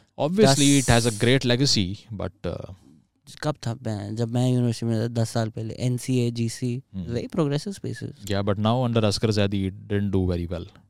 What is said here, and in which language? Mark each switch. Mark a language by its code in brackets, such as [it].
[en] Obviously, it has a great legacy, but... [ur] کب تھا جب میں یونیورسٹی میں 10 سال پہلے, N C a جی C [en] Very progressive spaces. Yeah, but now under Asghar Zaidi, it didn't do very well.